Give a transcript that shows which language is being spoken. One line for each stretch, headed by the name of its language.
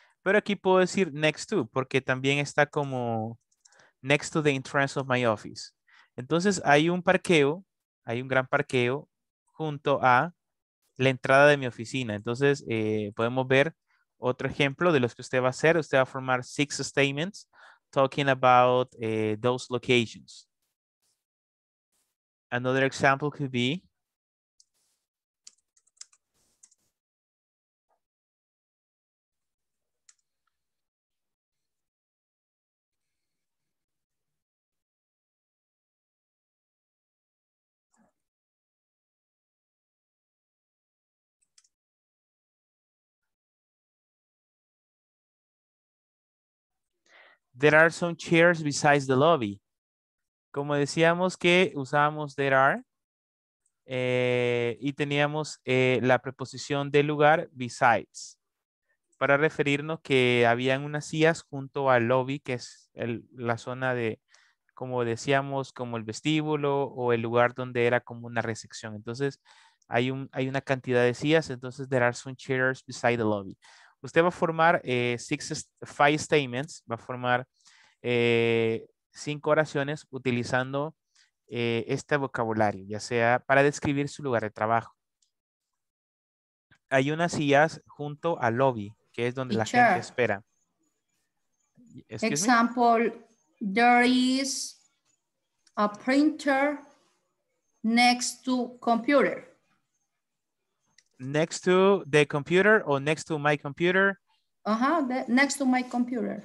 Spanish: Pero aquí puedo decir next to, porque también está como
English: next to the entrance of my office.
Spanish: Entonces hay un parqueo, hay un gran parqueo junto a la entrada de mi oficina. Entonces podemos ver otro ejemplo de los que usted va a hacer. Usted va a formar 6
English: statements talking about those locations. Another example could be, there are some chairs besides the lobby.
Spanish: Como decíamos que usábamos there are, y teníamos la preposición de lugar besides, para referirnos que habían unas sillas junto al lobby, que es la zona de, como decíamos, como el vestíbulo o el lugar donde era como una recepción. Entonces hay una cantidad de sillas, entonces
English: there are some chairs beside the lobby.
Spanish: Usted va a formar 5 statements, va a formar 5 oraciones utilizando este vocabulario, ya sea para describir su lugar de trabajo. Hay unas sillas junto al lobby, que es donde teacher, la gente espera.
English: Example, there is a printer next to computer. Next to the computer or next to my computer? Next to my computer.